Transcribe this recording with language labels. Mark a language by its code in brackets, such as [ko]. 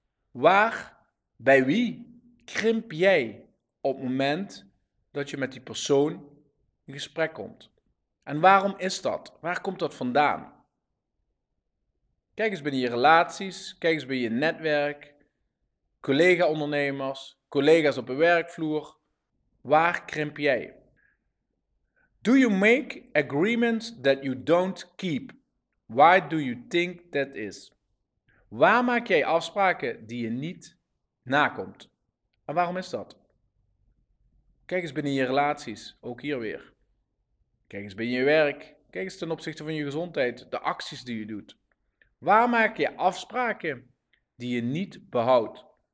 [nl] Waar, bij wie, krimp jij op het moment dat je met die persoon in gesprek komt? En waarom is dat? Waar komt dat vandaan? Kijk eens binnen je relaties, kijk eens bij je netwerk, collega-ondernemers, collega's op de werkvloer. Waar krimp jij? [en] Do you make agreements that you don't keep? Why do you think that is? [nl] Waar maak jij afspraken die je niet nakomt? En waarom is dat? Kijk eens binnen je relaties, ook hier weer. Kijk eens binnen je werk. Kijk eens ten opzichte van je gezondheid, de acties die je doet. Waar maak je afspraken die je niet behoudt?